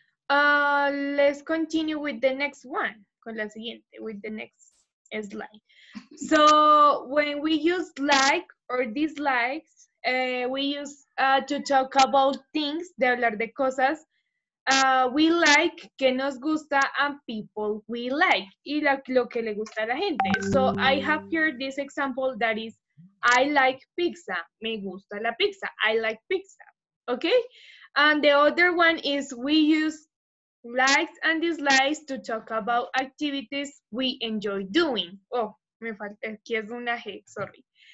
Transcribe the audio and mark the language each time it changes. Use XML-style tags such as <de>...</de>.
<en>Let's continue with the next one.</en> <es>Con la siguiente,</es> <en>with the next is like. So when we use like or dislikes, we use to talk about things,</en> <es>de hablar de cosas.</es> <en>We like,</en> <es>que nos gusta,</es> <en>and people we like.</en> <es>Y lo que le gusta a la gente.</es> <en>So I have here this example that is, I like pizza.</en> <es>Me gusta la pizza.</es> <en>I like pizza. Okay? And the other one is we use likes and dislikes to talk about activities we enjoy doing.</en> <es>Oh, me falta, aquí es una G, sorry.</es>